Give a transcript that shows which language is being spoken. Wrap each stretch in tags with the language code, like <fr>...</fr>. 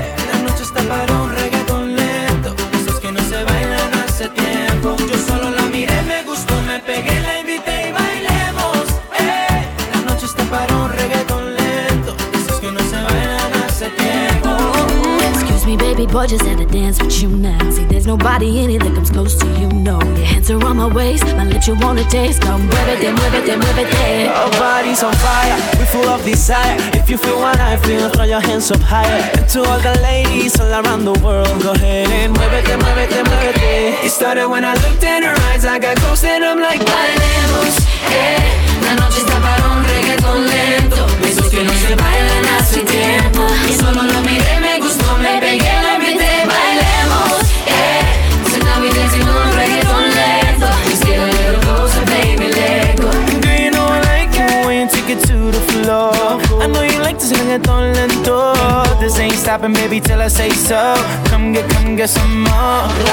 <es>La noche está para un reggaetón lento, esos que no se bailan hace tiempo. Yo solo la miré, me gustó, me pegué, la invité y bailemos. La noche está para un reggaetón lento, esos que no se bailan hace tiempo.</es> <en>Excuse me, baby boy, just had to dance with you now. Nobody in it that comes close to you, no. Your hands are on my waist, my lips you wanna taste.</en> <es>Come, muévete, muévete, muévete.</es> <en>Our bodies on fire, we full of desire. If you feel what I feel, throw your hands up higher. And to all the ladies all around the world, go ahead and</en> <es>muévete, muévete, muévete.</es> <en>It started when I looked in her eyes, I got close and I'm like,</en> <es>bailemos, la noche está para un reggaeton lento. Besos que no se bailan hace tiempo. Y solo lo miré, me gustó, me pegué, lo invité. Bailemos.</es> <en>Do you know I like it when you take it to the floor? I know you like to sing it on lento. This ain't stopping, baby, till I say so. Come get some more.</en>